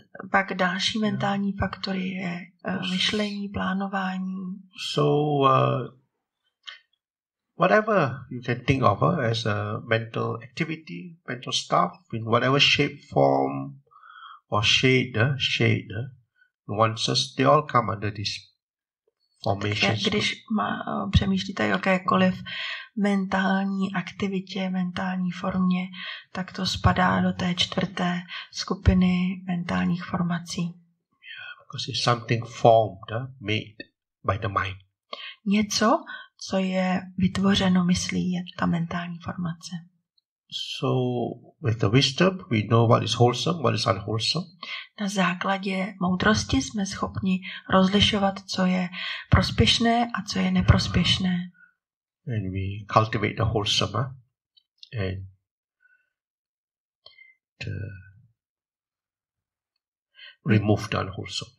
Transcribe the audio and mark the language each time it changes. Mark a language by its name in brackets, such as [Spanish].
[Czech] Pak další mentální faktory je myšlení, plánování. [English] So whatever you can think of as a mental activity, mental stuff, in whatever shape, form, or shade, nuances, they all come under this formation. [Czech] Takže když přemýšlíte jakékoliv mentální aktivitě, mentální formě, tak to spadá do té čtvrté skupiny mentálních formací. [English] Yeah, because it's something formed, made by the mind. [Czech] Něco, co je vytvořeno myslí, je ta mentální formace. [English] So with the wisdom, we know what is wholesome, what is unwholesome. [Czech] Na základě moudrosti jsme schopni rozlišovat, co je prospěšné a co je neprospěšné. [English] And we cultivate the wholesome, and to remove the unwholesome.